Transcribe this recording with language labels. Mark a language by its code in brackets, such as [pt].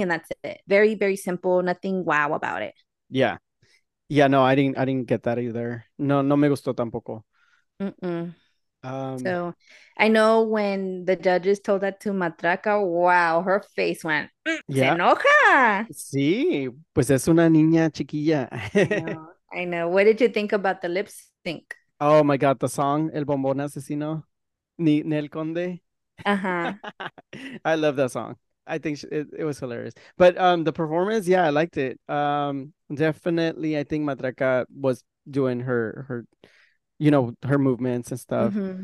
[en] And that's it. Very, very simple. Nothing wow about it. Yeah. Yeah. No, I didn't get that either. [es] No, no me gustó tampoco. [en] So I know when the judges told that to Matraca, wow, her face went, [es] se enoja. Sí, pues es una niña chiquilla. [en] I know. What did you think about the lip sync? Oh my God, the song, El Bombón Asesino, Nel Conde. I love that song. I think it was hilarious. But the performance, yeah, I liked it. Definitely, I think Matraca was doing her movements and stuff.